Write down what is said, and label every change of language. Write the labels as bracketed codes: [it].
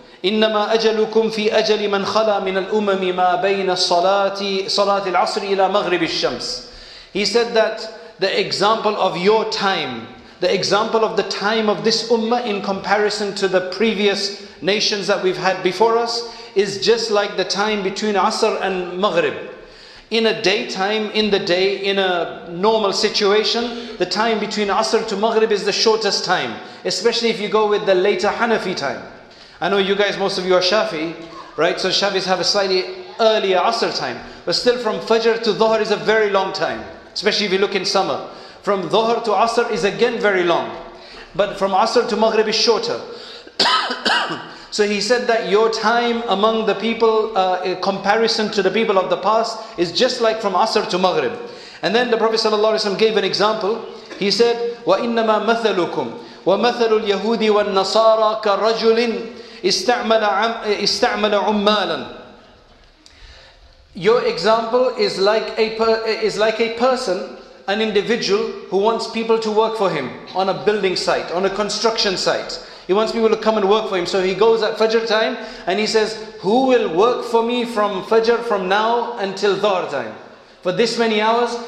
[ar] إنما أجلكم في أجل من خلا من الأمم ما بين صلاة العصر إلى مغرب الشمس. [en] He said that the example of your time, the example of the time of this ummah in comparison to the previous nations that we've had before us, is just like the time between Asr and Maghrib. In a daytime, in the day, in a normal situation, the time between Asr to Maghrib is the shortest time, especially if you go with the later Hanafi time. I know you guys, most of you are Shafi, right? So Shafis have a slightly earlier Asr time. But still, from Fajr to Dhuhr is a very long time, especially if you look in summer. From Dhuhr to Asr is again very long. But from Asr to Maghrib is shorter. So he said that your time among the people, in comparison to the people of the past, is just like from Asr to Maghrib. And then the Prophet ﷺ gave an example. He said, [ar] وَإِنَّمَا مَثَلُكُمْ وَمَثَلُ الْيَهُودِ وَالنَّصَارَى كَرَجُلٍ اسْتَعْمَلَ عُمَّالًا. [en] Your example is like a person, an individual who wants people to work for him on a building site, on a construction site. He wants people to come and work for him. So he goes at Fajr time and he says, who will work for me from Fajr, from now until Dhuhr time, for this many hours?